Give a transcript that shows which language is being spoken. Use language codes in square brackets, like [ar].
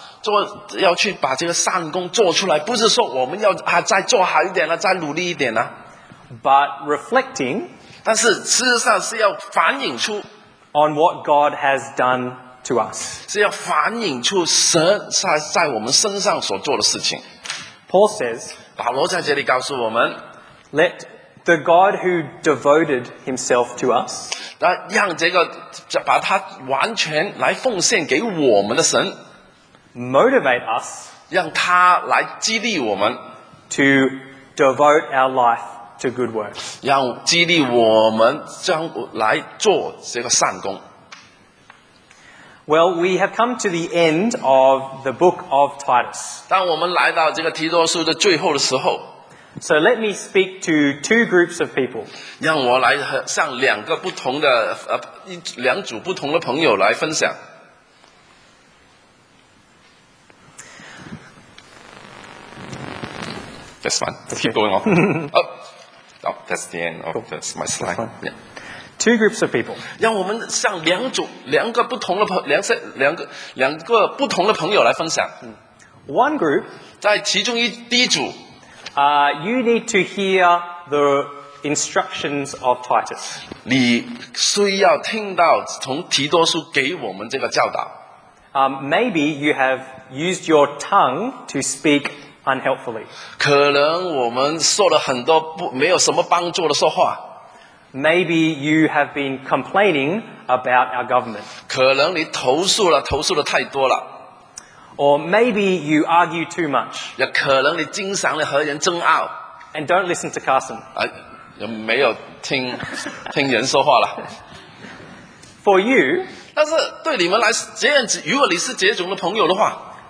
[zh] 做要去把这个善工做出来，不是说我们要啊再做好一点了，再努力一点了。 [en] But reflecting, [zh] 但是事实上是要反映出 [en] on what God has done to us. [zh] 是要反映出神在我们身上所做的事情。 [en] Paul says, [zh] 保罗在这里告诉我们, [en] let the God who devoted himself to us, [zh] 让这个把他完全来奉献给我们的神, [en] motivate us, [zh] 让他来激励我们, [en] to devote our life to good works, [zh] 让激励我们将来做这个善工。 [en] Well, we have come to the end of the book of Titus. [zh] 当我们来到这个提多书的最后的时候， [en] So let me speak to two groups of people. [zh] 让我来向两个不同的两组不同的朋友来分享。 [en] That's fine. Let's keep going on. Oh, oh, that's the end of this, my slide. Yeah. Two groups of people. [zh] 让我们向两组两个不同的朋两三两个两个不同的朋友来分享。 [en] One group. [zh] 在其中一第一组。 [en] You need to hear the instructions of Titus. [zh] 你需要听到从提多书给我们这个教导。 [en] Maybe you have used your tongue to speak unhelpfully. [zh] 可能我们说了很多不没有什么帮助的说话。 [en] Maybe you have been complaining about our government. [zh] 可能你投诉了，投诉的太多了。 [en] Or maybe you argue too much. [zh] 也可能你经常和人争拗。 [en] And don't listen to Carson. 啊， [zh] 也没有听人说话了。 [en] For you, [zh] 但是对你们来这样子，如果你是这种的朋友的话，